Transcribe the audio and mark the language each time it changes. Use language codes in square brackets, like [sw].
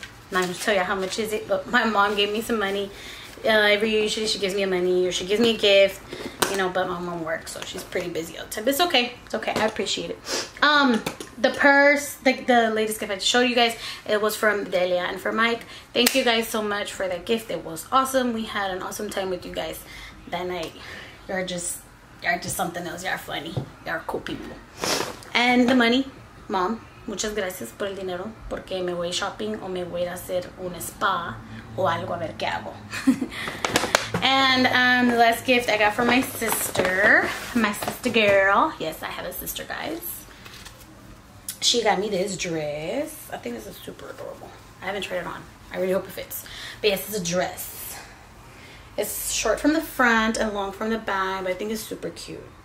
[en] Not gonna tell you how much is it, but my mom gave me some money. Every year usually she gives me money or she gives me a gift, you know, but my mom works, so she's pretty busy all the time. It's okay. It's okay. I appreciate it. The purse, the latest gift I showed you guys, it was from Delia and for Mike. Thank you guys so much for that gift. It was awesome. We had an awesome time with you guys that night. You're just something else. You're funny. You're cool people. And the money, mom, [es] muchas gracias por el dinero, porque me voy shopping o me voy a hacer un spa o algo, a ver qué hago. [en] And the last gift I got from my sister girl. Yes, I have a sister, guys. She got me this dress. I think this is super adorable. I haven't tried it on. I really hope it fits. But yes, it's a dress. It's short from the front and long from the back, but I think it's super cute.